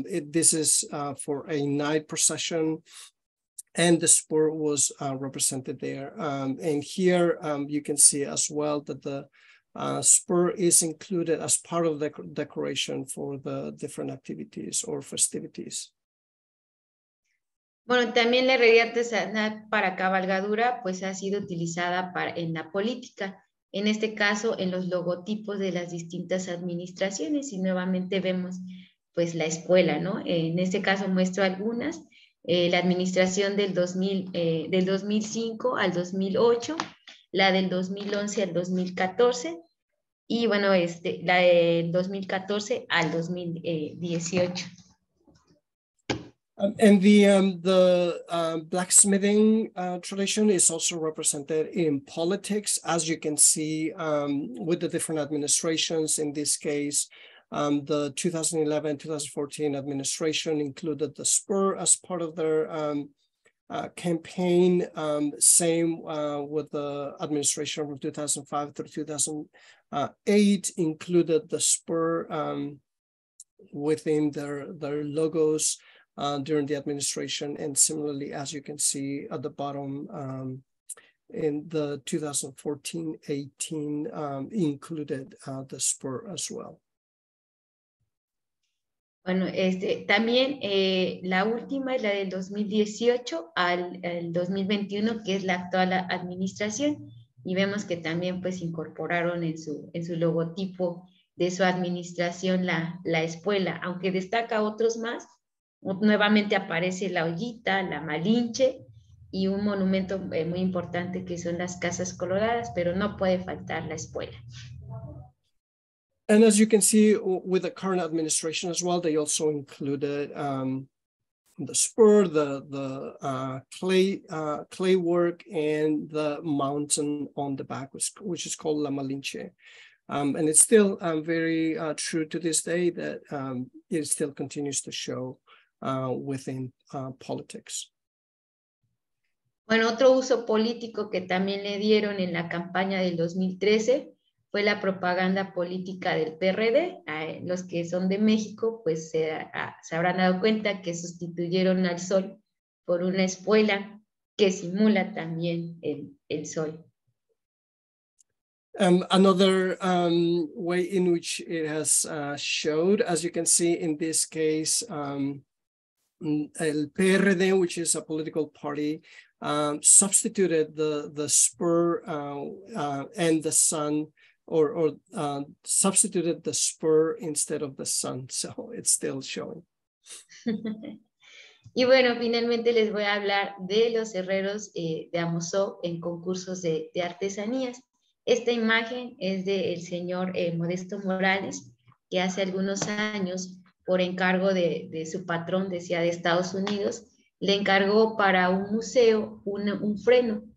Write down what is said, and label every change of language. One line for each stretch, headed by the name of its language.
English: This is for a night procession, and the spur was represented there. And here you can see as well that the spur is included as part of the decoration for the different activities or festivities.
Spanish: Bueno, también la herrería artesanal para cabalgadura, pues ha sido utilizada en la política, en este caso en los logotipos de las distintas administraciones, y nuevamente vemos, pues, la escuela, ¿no? En este caso muestro algunas, la administración del 2005 al 2008, la del 2011 al 2014, y bueno, la del 2014 al 2018.
English: And the blacksmithing tradition is also represented in politics, as you can see with the different administrations. In this case, the 2011-2014 administration included the spur as part of their campaign. Same with the administration from 2005 through 2008 included the spur within their logos. During the administration, and similarly, as you can see at the bottom, in the 2014-18 included the spur as well.
Spanish: Bueno, también la última es la del 2018 al 2021, que es la actual administración, y vemos que también, pues, incorporaron en su logotipo de su administración la espuela, aunque destaca otros más. Nuevamente aparece la ollita, la Malinche, y un monumento muy importante que son las casas coloradas, pero no puede faltar la espuela. And as you can see with the current administration as well, they also included the spur, the clay work, and the mountain on the back, which is called La Malinche. And it's still very true to this day that it still continues to show within politics. Bueno, otro uso político que también le dieron en la campaña del 2013 fue la propaganda política del PRD. Los que son de México, pues se habrán dado cuenta que sustituyeron al sol por una espuela que simula también el sol.
English: Another way in which it has showed, as you can see in this case, El PRD, which is a political party, substituted the spur and the sun, or substituted the spur instead of the sun. So it's still showing.
Spanish: Y bueno, finalmente les voy a hablar de los herreros de Amozoc en concursos de artesanías. Esta imagen es del señor Modesto Morales, que hace algunos años, por encargo de su patrón, decía, de Estados Unidos, le encargó para un museo un freno.